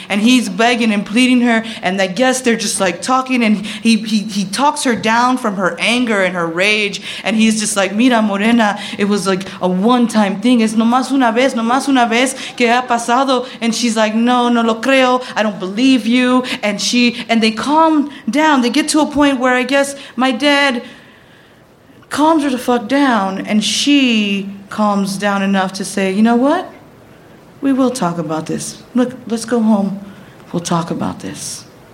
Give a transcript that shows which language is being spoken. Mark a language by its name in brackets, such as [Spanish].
[English] And he's begging and pleading her, and I guess they're just like talking, and he talks her down from her anger and her rage, and he's just like, [Spanish] mira, [English] Morena, it was like a one-time thing. [Spanish] Es nomás una vez. Nomás una vez que ha pasado. [English] And she's like, no, [Spanish] no lo creo. [English] I don't believe you. And she, and they calm down. They get to a point where I guess my dad calms her the fuck down, and she calms down enough to say, you know what? We will talk about this. Look, let's go home. We'll talk about this.